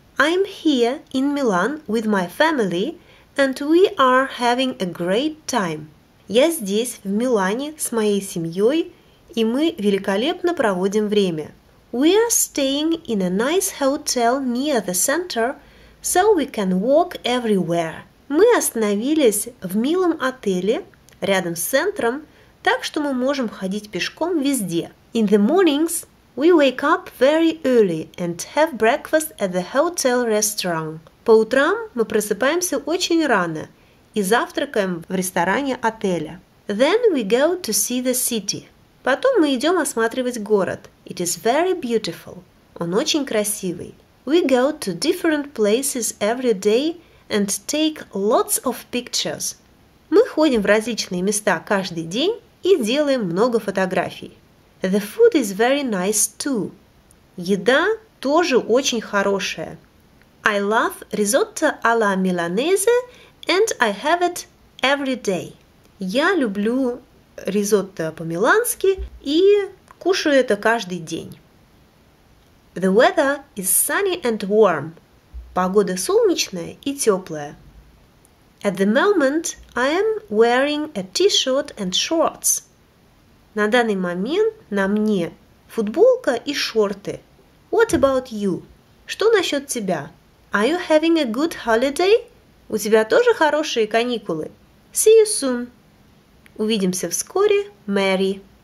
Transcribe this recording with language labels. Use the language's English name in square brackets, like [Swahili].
[English] I'm here in Milan with my family and we are having a great time. [Russian] Я здесь, в Милане, с моей семьей, и мы великолепно проводим время. [English] We are staying in a nice hotel near the center, so we can walk everywhere. [Russian] Мы остановились в милом отеле рядом с центром, так что мы можем ходить пешком везде. [English] In the mornings, we wake up very early and have breakfast at the hotel restaurant. [Russian] По утрам мы просыпаемся очень рано и завтракаем в ресторане отеля. [English] Then we go to see the city. [Russian] Потом мы идем осматривать город. [English] It is very beautiful. [Russian] Он очень красивый. [English] We go to different places every day and take lots of pictures. [Russian] Мы ходим в различные места каждый день и делаем много фотографий. [English] The food is very nice too. [Russian] Еда тоже очень хорошая. [English] I love risotto alla milanese and I have it every day. [Russian] Я люблю ризотто по-милански и кушаю это каждый день. [English] The weather is sunny and warm. [Russian] Погода солнечная и теплая. [English] At the moment I am wearing a t-shirt and shorts. [Russian] На данный момент на мне футболка и шорты. [English] What about you? [Russian] Что насчет тебя? [English] Are you having a good holiday? [Russian] У тебя тоже хорошие каникулы? [English] See you soon. [Russian] Увидимся вскоре, [English] Мэри.